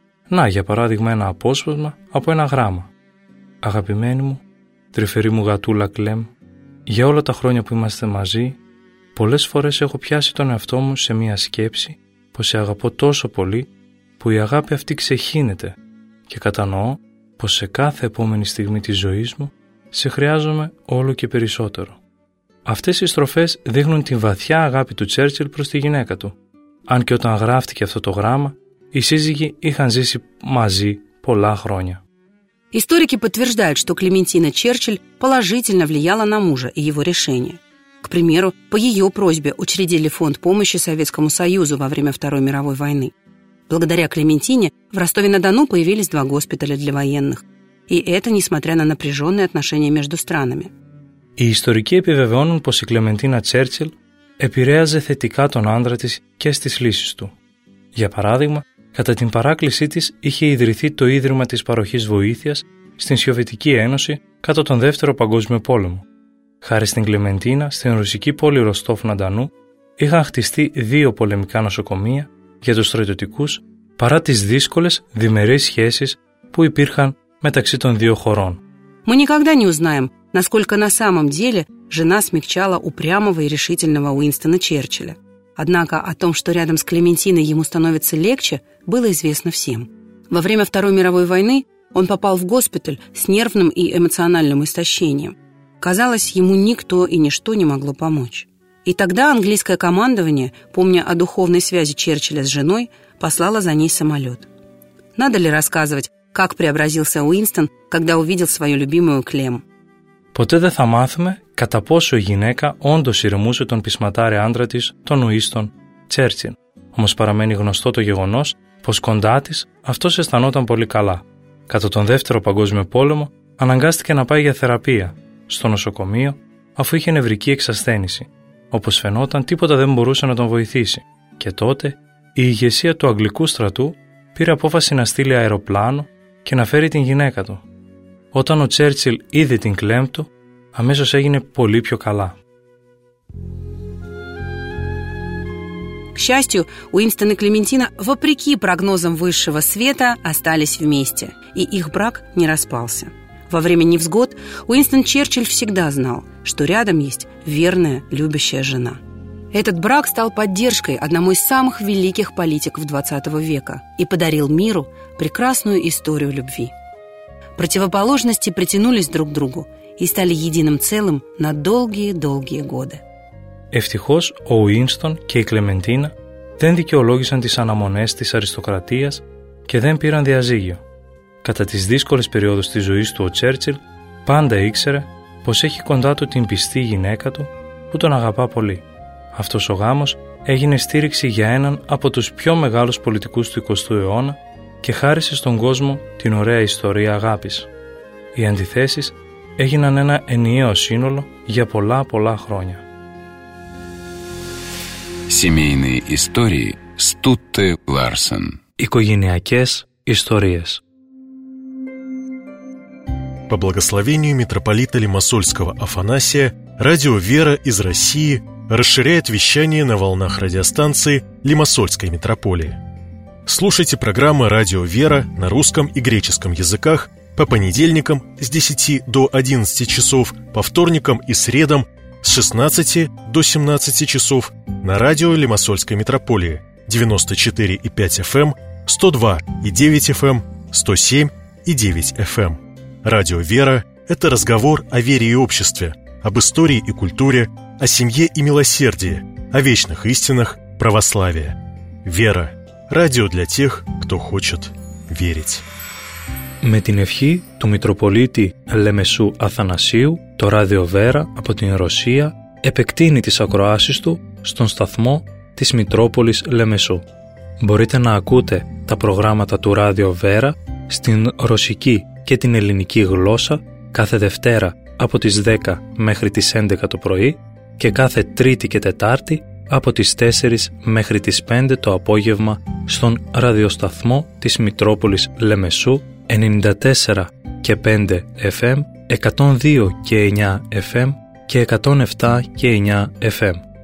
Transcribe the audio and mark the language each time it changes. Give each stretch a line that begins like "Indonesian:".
Greek: Να, για παράδειγμα, ένα απόσπασμα από ένα γράμμα. «Αγαπημένη μου, τρυφερή μου γατούλα Κλέμ, για όλα τα χρόνια που είμαστε μαζί, πολλές φορές έχω πιάσει τον εαυτό μου σε μία σκέψη πως σε αγαπώ τόσο πολύ που η αγάπη αυτή ξεχύνεται και κατανοώ πως σε κάθε επόμενη στιγμή της ζωής μου σε χρειάζομαι όλο και περισσότερο». Αυτές οι στροφές δείχνουν τη βαθιά αγάπη του Τσέρτσιλ προς τη γυναίκα του. Αν και όταν γράφτηκε αυτό το γράμμα, οι σύζυγοι είχαν ζήσει μαζί πολλά χρόνια.
Russian: Историки подтверждают, что Клементина Черчилль положительно влияла на мужа и его решения. К примеру, по ее просьбе учредили фонд помощи Советскому Союзу во время Второй мировой войны. Благодаря Клементине в Ростове-на-Дону появились два госпиталя для военных. И это несмотря на напряженные отношения между странами. И историки
Greek: επιβεβαιώνουν,
Russian: что Клементина Черчилль
Greek: επηρέαζε θετικά τον άντρα της και στις λύσεις του. Για παράδειγμα, κατά την παράκλησή της είχε ιδρυθεί το Ίδρυμα της Παροχής Βοήθειας στην Σοβιετική Ένωση κατά τον Δεύτερο Παγκόσμιο Πόλεμο. Χάρη στην Κλεμεντίνα, στην ρωσική πόλη Ροστόφ-Ναντανού, είχαν χτιστεί δύο πολεμικά νοσοκομεία για τους στρατιωτικούς παρά τις δύσκολες διμερείς σχέσεις που υπήρχαν μεταξύ των δύο χωρών.
Russian: Мы никогда не узнаем, насколько на самом деле жена смягчала упрямого и решительного Уинстона Черчилля. Однако о том, что рядом с Клементиной ему становится легче, было известно всем. Во время Второй мировой войны он попал в госпиталь с нервным и эмоциональным истощением. Казалось, ему никто и ничто не могло помочь. И тогда английское командование, помня о духовной связи Черчилля с женой, послало за ней самолет. Надо ли рассказывать, как преобразился Уинстон, когда увидел свою любимую Клем?
Greek: Ποτέ δεν θα μάθουμε κατά πόσο η γυναίκα όντως ηρεμούσε τον πεισματάρι άντρα της, τον Ουίστον Τσέρτσιλ. Όμως παραμένει γνωστό το γεγονός πως κοντά της αυτός αισθανόταν πολύ καλά. Κατά τον Δεύτερο Παγκόσμιο Πόλεμο αναγκάστηκε να πάει για θεραπεία στο νοσοκομείο αφού είχε νευρική εξασθένηση. Όπως φαινόταν τίποτα δεν μπορούσε να τον βοηθήσει. Και τότε η ηγεσία του Αγγλικού στρατού πήρε απόφαση να στείλει αεροπλάνο και να φέρει την γυναίκα του. Όταν ο Τσέρτσιλ είδε την Κλέμ του, αμέσως έγινε πολύ πιο καλά.
Russian: К счастью, Уинстон и Клементина, вопреки прогнозам высшего света, остались вместе, и их брак не распался. Во время невзгод Уинстон Черчилль всегда знал, что рядом есть верная, любящая жена. Этот брак стал поддержкой одному из самых великих политиков 20 века и подарил миру прекрасную историю любви. Противоположности притянулись друг к другу и стали единым целым на долгие-долгие годы.
Greek: Ευτυχώς, ο Ουίνστον και η Κλεμεντίνα δεν δικαιολόγησαν τις αναμονές της αριστοκρατίας και δεν πήραν διαζύγιο. Κατά τις δύσκολες περιόδους της ζωής του, ο Τσέρτσιλ πάντα ήξερε πως έχει κοντά του την πιστή γυναίκα του που τον αγαπά πολύ. Αυτός ο γάμος έγινε στήριξη για έναν από τους πιο μεγάλους πολιτικούς του 20ου αιώνα και χάρισε στον κόσμο την ωραία ιστορία αγάπης. Οι αντιθέσεις έγιναν ένα ενιαίο σύνολο για πολλά πολλά χρόνια.
Russian: Семейные истории Стутте Ларсен.
Greek: Οικογενειακές ιστορίες.
Russian: По благословению митрополита Лимассольского Афанасия, радио «Вера» из России расширяет вещание на волнах радиостанции Лимассольской митрополии. Слушайте программы «Радио Вера» на русском и греческом языках по понедельникам с 10 до 11 часов, по вторникам и средам с 16 до 17 часов на радио Лимассольской митрополии 94,5 FM, 102,9 FM, 107,9 FM. «Радио Вера» — это разговор о вере и обществе, об истории и культуре, о семье и милосердии, о вечных истинах православия. «Вера». Radio для тех, кто хочет верить.
Greek: Με την ευχή του Μητροπολίτη Λεμεσού Αθανασίου, το Ράδιο Βέρα από την Ρωσία επεκτείνει τις ακροάσεις του στον σταθμό της Μητρόπολης Λεμεσού. Μπορείτε να ακούτε τα προγράμματα του Ράδιο Βέρα στην ρωσική και την ελληνική γλώσσα κάθε Δευτέρα από τις 10 μέχρι τις 11 το πρωί και κάθε Τρίτη και Τετάρτη από τις 4 μέχρι τις 5 το απόγευμα στον ραδιοσταθμό της Μητρόπολης Λεμεσού 94 και 5 FM, 102 και 9 FM και 107 και 9 FM.